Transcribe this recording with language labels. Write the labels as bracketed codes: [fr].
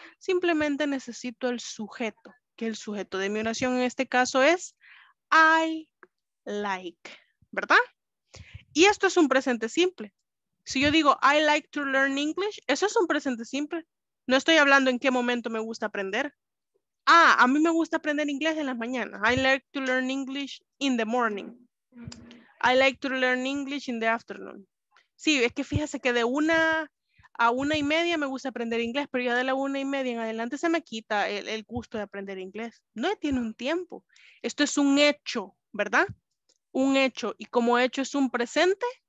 [es] Simplemente necesito el sujeto. Que el sujeto de mi oración en este caso es [en] I like. [es] ¿Verdad? Y esto es un presente simple. Si yo digo, [en] I like to learn English, [es] eso es un presente simple. No estoy hablando en qué momento me gusta aprender. Ah, a mí me gusta aprender inglés en las mañanas. [en] I like to learn English in the morning. I like to learn English in the afternoon. [es] Sí, es que fíjese que de 1 a 1:30 me gusta aprender inglés, pero ya de la 1:30 en adelante se me quita el gusto de aprender inglés. No tiene un tiempo. Esto es un hecho, ¿verdad? Un hecho. Y como hecho es un presente.